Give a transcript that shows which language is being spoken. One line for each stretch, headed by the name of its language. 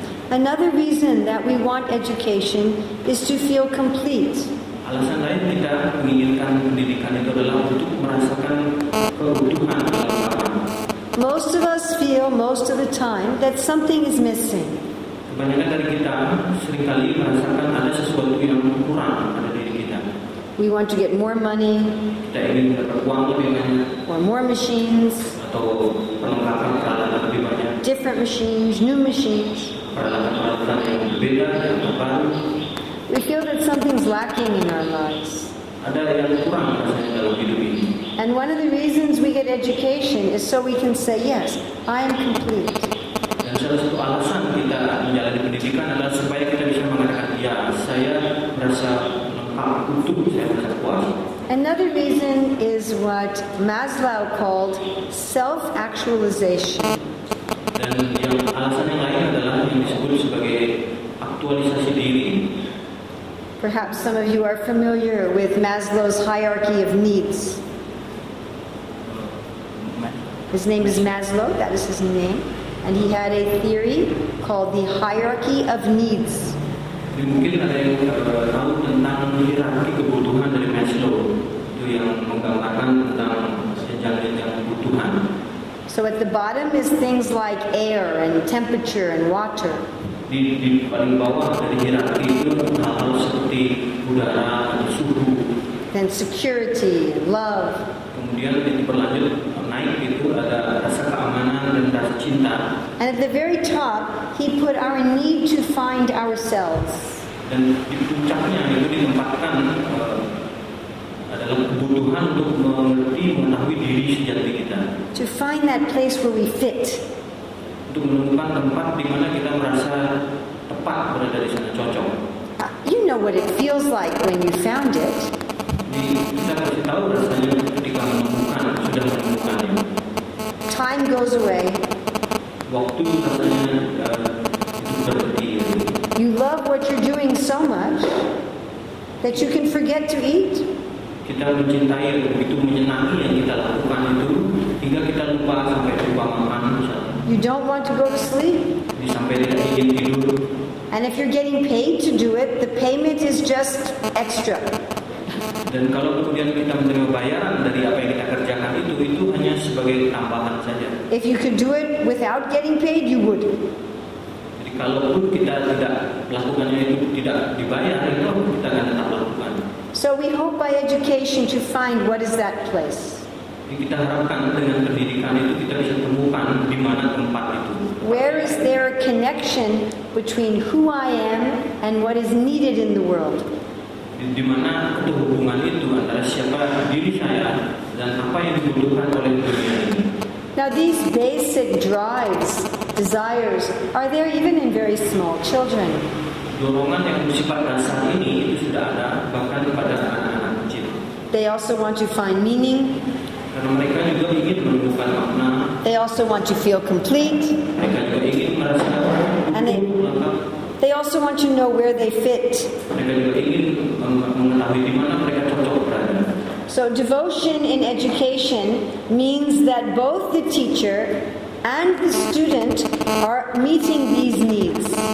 English: Another reason that we want education is to feel complete.
Indonesian: Alasan lain kita menginginkan pendidikan itu adalah untuk merasakan kebutuhan.
English: Most of us feel most of the time that something is missing.
Indonesian: Kebanyakan dari kita seringkali merasakan ada sesuatu yang kurang pada diri kita.
English: We want to get more money.
Indonesian: Kita ingin mendapat uang lebih banyak.
English: Or more machines.
Indonesian: Atau perlengkapan peralatan lebih banyak.
English: Different machines, new machines.
Indonesian: Peralatan-peralatan yang berbeda, yang baru.
English: We feel that something's lacking in our lives.
Indonesian: Ada yang kurang rasanya dalam hidup ini.
English: And one of the reasons we get education is so we can say, yes, I am complete.
Indonesian: Dan salah satu alasan kita menjalani pendidikan adalah supaya kita bisa mengatakan, ya, saya merasa lengkap, utuh, saya merasa puas.
English: Another reason is what Maslow called self-actualization.
Indonesian: Dan yang alasan yang lain adalah yang disebut sebagai aktualisasi diri.
English: Perhaps some of you are familiar with Maslow's hierarchy of needs. His name is Maslow, that is his name, and he had a theory called the hierarchy of needs.
Indonesian: Mungkin ada yang tahu tentang hierarki kebutuhan dari Maslow, itu yang menggambarkan tentang jenjang-jenjang kebutuhan.
English: So at the bottom is things like air and temperature and water.
Indonesian: Di paling bawah dari hierarki itu hal-hal seperti udara atau suhu.
English: Then security, love.
Indonesian: Kemudian yang berlanjut naik itu ada rasa keamanan dan rasa cinta.
English: And at the very top, he put our need to find ourselves.
Indonesian: Dan di puncaknya itu ditempatkan adalah kebutuhan untuk mengerti, mengetahui diri sejati kita.
English: To find that place where we fit.
Indonesian: Untuk menemukan tempat di mana kita merasa tepat berada di sana, cocok.
English: You know what it feels like when you found it.
Indonesian: Kita harus tahu rasanya ketika menemukan, sudah menemukannya.
English: Time goes away.
Indonesian: Waktu rasanya itu berhenti.
English: You love what you're doing so much that you can forget to eat.
Indonesian: Kita mencintai begitu menyenangi yang kita lakukan itu hingga kita lupa sampai lupa makan.
English: You don't want to go to sleep. And if you're getting paid to do it, the payment is just extra.
Indonesian: Dan kalau kemudian kita menerima bayaran dari apa yang kita kerjakan itu hanya sebagai tambahan saja.
English: If you could do it without getting paid, you would.
Indonesian: Jadi kalaupun kita tidak melakukannya itu tidak dibayar, itu kita akan tetap melakukan.
English: So we hope by education to find what is that place.
Indonesian: Kita harapkan dengan pendidikan itu kita bisa temukan di mana tempat itu.
English: Where is there a connection between who I am and what is needed in the world?
Indonesian: Di mana hubungan itu antara siapa diri saya dan apa yang dibutuhkan oleh dunia ini?
English: Now these basic drives, desires, are there even in very small children?
Indonesian: Dorongan yang bersifat dasar ini itu sudah ada bahkan pada anak-anak kecil.
English: They also want to find meaning.
Indonesian: Karena mereka juga ingin menemukan makna.
English: They also want to feel complete.
Indonesian: Mereka juga ingin merasa lengkap.
English: They also want to know where they fit.
Indonesian: Mereka juga ingin mengetahui di mana mereka cocok berada.
English: So devotion in education means that both the teacher and the student are meeting these needs.